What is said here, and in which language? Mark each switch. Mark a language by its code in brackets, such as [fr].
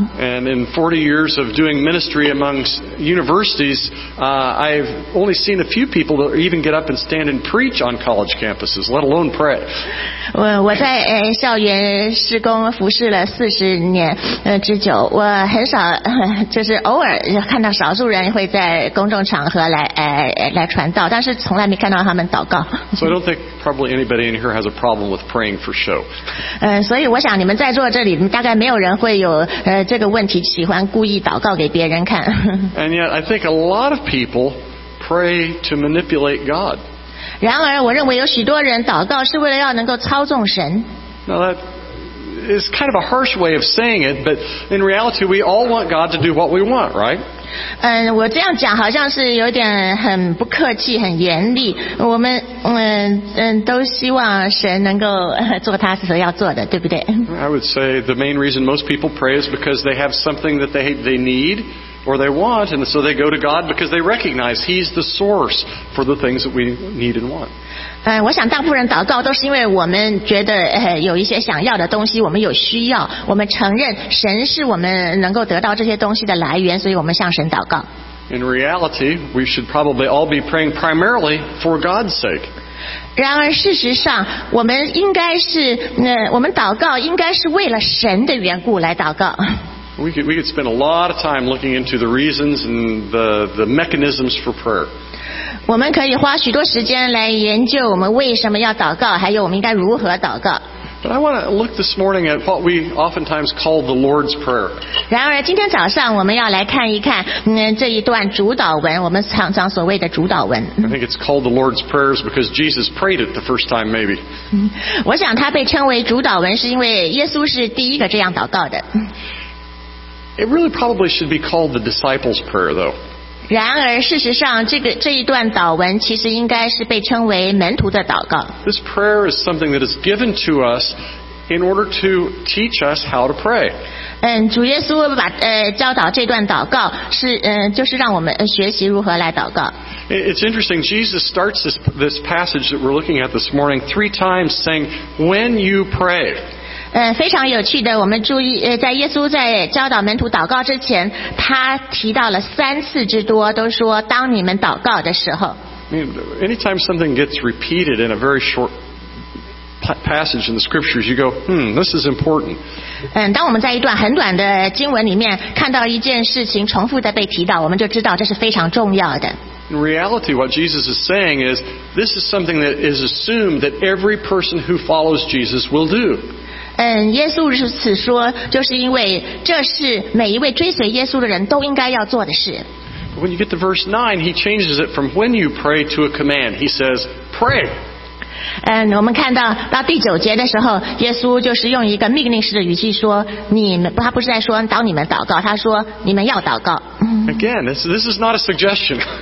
[en] And in 40 years of doing ministry among universities, I've only seen a few people that even get up and stand and preach on college campuses, let alone pray. [zh] 我在校园施工服侍了四十年之久，我很少就是偶尔看到少数人会在公众场合来传道，但是从来没看到他们祷告。 [en] So I don't think probably anybody in here has a problem with praying for show. [zh] 所以我想你们在座这里大概没有人会有这个问题，喜欢故意祷告给别人看。 [en] And yet I think a lot of people pray to manipulate God. [zh] 然而我认为有许多人祷告是为了要能够操纵神。 [en] Now that is kind of a harsh way of saying it, but in reality we all want God to do what we want, right? [zh] 我这样讲好像是有点很不客气很严厉，我们都希望神能够做他所要做的，对不对？ [en] I would say the main reason most people pray is because they have something that they need or they want, and so they go to God because they recognize he's the source for the things that we need and want. [zh] 我想大部分人祷告都是因为我们觉得有一些想要的东西，我们有需要，我们承认神是我们能够得到这些东西的来源，所以我们向神祷告。 [en] In reality, we should probably all be praying primarily for God's sake. [zh] 然而事实上，我们应该是我们祷告应该是为了神的缘故来祷告。 [en] We could spend a lot of time looking into the reasons and the mechanisms for prayer. [zh] 我们可以花许多时间来研究我们为什么要祷告，还有我们应该如何祷告。 [en] But I want to look this morning at what we oftentimes call the Lord's Prayer. [zh] 然而今天早上我们要来看一看这一段主导文，我们常常所谓的主导文。 [en] I think it's called the Lord's Prayer because Jesus prayed it the first time, maybe. [zh] 我想它被称为主导文是因为耶稣是第一个这样祷告的。 [en] It really probably should be called the disciples' prayer, though. [zh] 然而，事实上，这一段祷文其实应该是被称为门徒的祷告。 [en] This prayer is something that is given to us in order to teach us how to pray. [zh] 主耶稣把教导这段祷告是就是让我们学习如何来祷告。 [en] It's interesting. Jesus starts this passage that we're looking at this morning three times, saying, "When you pray." [zh] 非常有趣的，我们注意在耶稣在教导门徒祷告之前，他提到了三次之多，都说当你们祷告的时候。 [en] Anytime something gets repeated in a very short passage in the scriptures, you go, this is important. [zh] 当我们在一段很短的经文里面看到一件事情重复的被提到，我们就知道这是非常重要的。 [en] In reality, what Jesus is saying is, this is something that is assumed that every person who follows Jesus will do. [zh] 耶稣如此说，就是因为这是每一位追随耶稣的人都应该要做的事。 [en] When you get to verse 9, he changes it from when you pray to a command. He says, pray. [zh] 我们看到第九节的时候，耶稣就是用一个命令式的语气说，他不是在说当你们祷告，他说你们要祷告。 [en] Again, this is not a suggestion.